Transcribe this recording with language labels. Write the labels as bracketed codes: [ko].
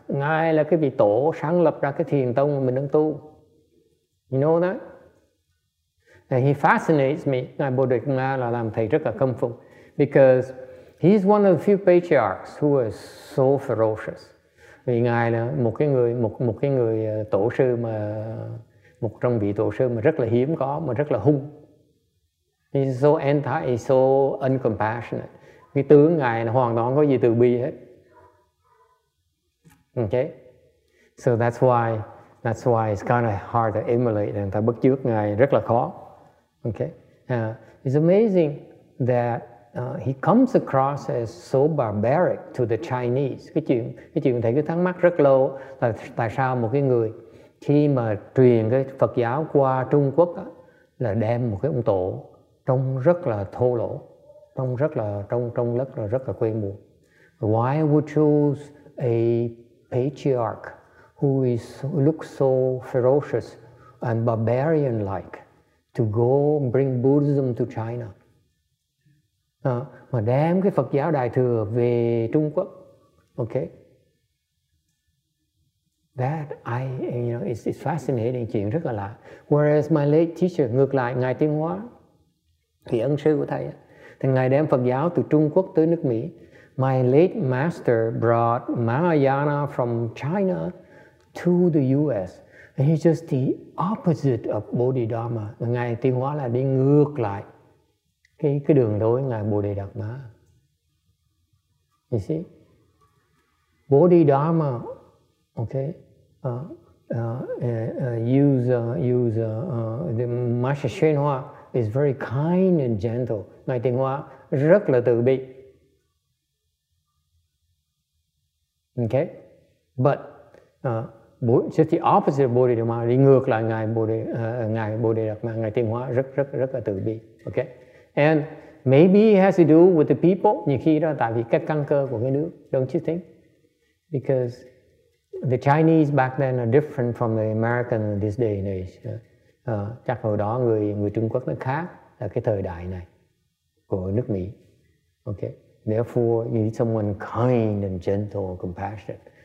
[vi] Ngài là cái vị tổ sáng lập ra cái thiền tông mình đang tu. [en] You know that? And he fascinates me. [vi] Ngài Bồ Đề Đạt Ma là làm thầy rất là khâm phục. [en] Because he's one of the few patriarchs who was so ferocious. [vi] Vì Ngài là một cái người tổ sư mà một trong vị tổ sư mà rất là hiếm có, mà rất là hung. [en] He's so anti, he's so uncompassionate. [vi] Cái tướng Ngài là hoàn toàn có gì từ bi hết. [en] Okay. So that's why it's kind of hard to emulate. [vi] Người ta bắt chước Ngài rất là khó. [en] Okay. It's amazing that he comes across as so barbaric to the Chinese. [vi] Cái chuyện thầy cứ thắc mắc rất lâu là tại sao một cái người khi mà truyền cái Phật giáo qua Trung Quốc đó, là đem một cái ông tổ trông rất là thô lỗ, trông rất là quê mùa. [en] Why would choose a patriarch who looks so ferocious and barbarian like to go bring Buddhism to China? [vi] Mà đem cái Phật giáo Đại Thừa về Trung Quốc. [en] Okay. That I, you know, it's fascinating, [vi] chuyện rất là lạ. [en] Whereas my late teacher, [vi] ngược lại, Ngài Tiên Hóa, thì ân sư của thầy, thì Ngài đem Phật giáo từ Trung Quốc tới nước Mỹ. [en] My late master brought Mahayana from China to the US. And he's just the opposite of Bodhidharma. [vi] Ngài Tiên Hóa là đi ngược lại cái đường lối Ngài Bồ Đề Đạt Ma. [en] You see? Bodhidharma, okay, the Master Xuyên Hoa is very kind and gentle. [vi] Ngài Tiên Hoa rất là từ bi. [en] Okay? But just the opposite of Bodhidharma, [vi] đi ngược lại Ngài Bồ Đề Đạt Ma, Ngài Tiên Hoa rất rất rất là từ bi. [en] Okay? And maybe it has to do with the people, [vi] nhiều khi đó tại vì các căn cơ của cái nước, [en] don't you think? Because the Chinese back then are different from the American in this day and age. [vi] Chắc hồi đó người Trung Quốc nó khác là cái thời đại này của nước Mỹ. [en] Okay. Therefore, you need someone kind and gentle and compassionate.